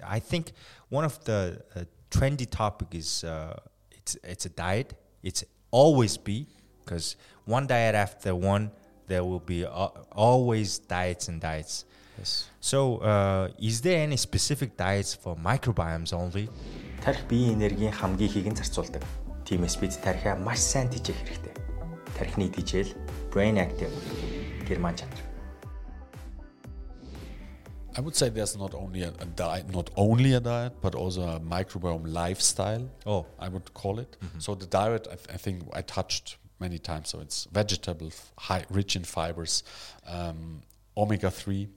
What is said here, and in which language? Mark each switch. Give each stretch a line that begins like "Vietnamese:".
English: I think one of the trendy topics is it's a diet. It's always be, because one diet after one, there will be always diets and diets. Yes. So, is there any specific diets for microbiomes only?
Mongolian: Тарх биеийн энергийн хамгийн ихийг зарцуулдаг. Тиймээс бид тархиа маш сайн тэжээх хэрэгтэй. Тархины тэжээл
English: brain active
Mongolian: герман чанар.
English: I would say there's not only a diet, not only a diet, but also a microbiome lifestyle. Oh, I would call it. Mm-hmm. So the diet, I think I touched many times. So it's vegetable, rich in fibers. Omega-3,